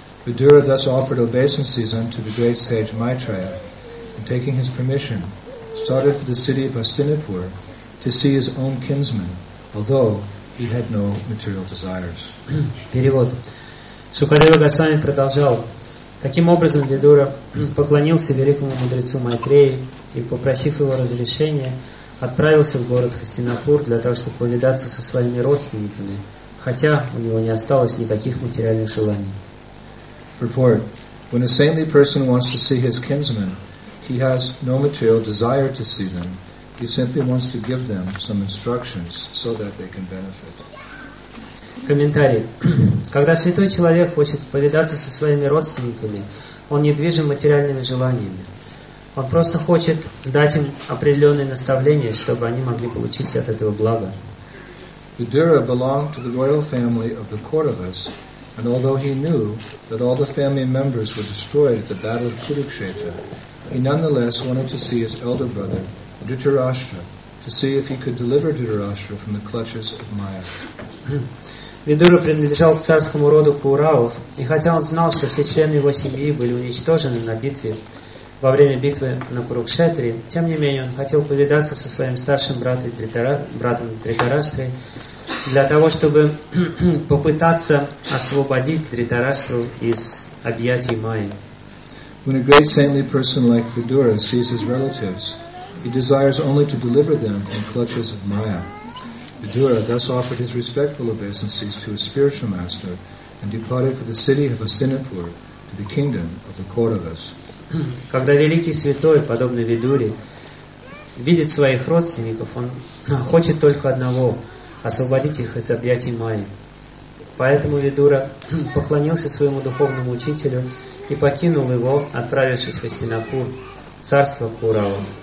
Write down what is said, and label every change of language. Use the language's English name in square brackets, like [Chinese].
[English] Vidura thus offered obeisances unto the great sage Maitreya, and taking his permission, started for the city of Hastinapur to see his own kinsmen, although he had no material desires. [Russian] Перевод. Шукадева Госвами продолжал. Таким образом, Видура поклонился великому мудрецу Майтрее и, попросив его разрешения, отправился в город Хастинапур для того, чтобы повидаться со своими родственниками, хотя у него не осталось никаких материальных желаний. [English] Purport. When a saintly person wants to see his kinsmen, he has no material desire to see them. He simply wants to give them some instructions so that they can benefit. [Russian] Комментарий. Когда святой человек хочет повидаться со своими родственниками, он не движим материальными желаниями. Он просто хочет дать им определенные наставления, чтобы они могли получить от этого благо. [English] Vidura belonged to the royal family of the Kauravas, and although he knew that all the family members were destroyed at the battle of Kurukshetra, he nonetheless wanted to see his elder brother, Dhritarashtra, to see if he could deliver Dhritarashtra from the clutches of Maya. [Russian] Видура принадлежал к царскому роду Кауравов, и хотя он знал, что все члены его семьи были уничтожены на битве, во время битвы на Курукшетре, тем не менее он хотел повидаться со своим старшим братом Дритарастрой для того, чтобы попытаться освободить Дритарастру из объятий Майи. [English] When a great saintly person like Vidura sees his relatives, he desires only to deliver them from clutches of Maya. Vidura thus offered his respectful obeisances to his spiritual master and departed for the city of Hastinapur to the kingdom of the Kauravas. [Russian] Когда великий святой, подобный Видуре, видит своих родственников, он хочет только одного — освободить их из объятий Майи. Поэтому Видура поклонился своему духовному учителю и покинул его, отправившись в Хастинапур, царство Курава.